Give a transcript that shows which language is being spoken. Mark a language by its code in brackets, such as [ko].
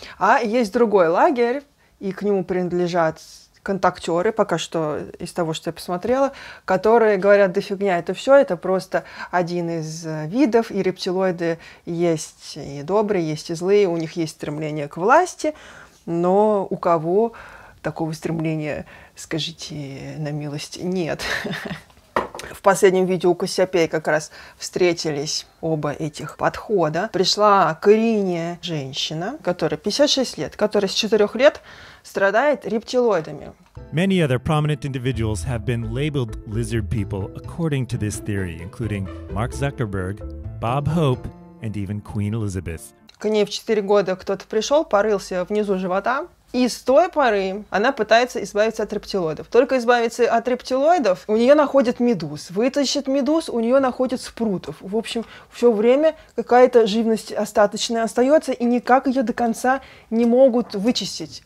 [ru] А есть другой лагерь, и к нему принадлежат контактеры, пока что из того, что я посмотрела, которые говорят, да фигня, это все, это просто один из видов, и рептилоиды есть и добрые, есть и злые, у них есть стремление к власти, но у кого такого стремления, скажите на милость, нет. В последнем видео у Кассиопеи как раз встретились оба этих подхода. Пришла Карине женщина, которая 56 лет, которая с 4 лет страдает рептилоидами. [en] Many other prominent individuals have been labeled lizard people according to this theory, including Mark Zuckerberg, Bob Hope, and even Queen Elizabeth. [ru] К ней в 4 года кто-то пришел, порылся внизу живота, и с той поры она пытается избавиться от рептилоидов. Только избавиться от рептилоидов, у нее находят медуз. Вытащит медуз, у нее находят спрутов. В общем, все время какая-то живность остаточная остается, и никак ее до конца не могут вычистить.